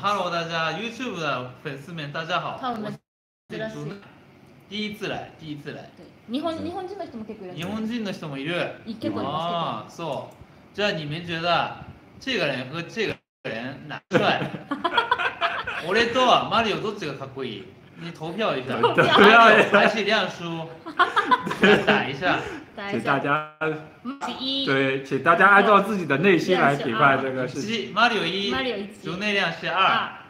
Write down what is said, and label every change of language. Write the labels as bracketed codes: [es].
[zh] ，Hello 大家 ，YouTube 的粉丝们，大家好。看我们，第一次来，第一次来。 [ja] 对，日本人的人も結構いる。日本人的人もいる。結構いますけど。啊，そう。じゃあ [zh] 你们觉得这个人和这个人哪帅？ [ja] 俺とマリオどっちがかっこいい？ [zh] 你投票一下。投票一下。还是亮叔？打一下。请大家，对，请大家按照自己的内心来评判这个事情。 Mario 一 ，Mario 一，内量是二。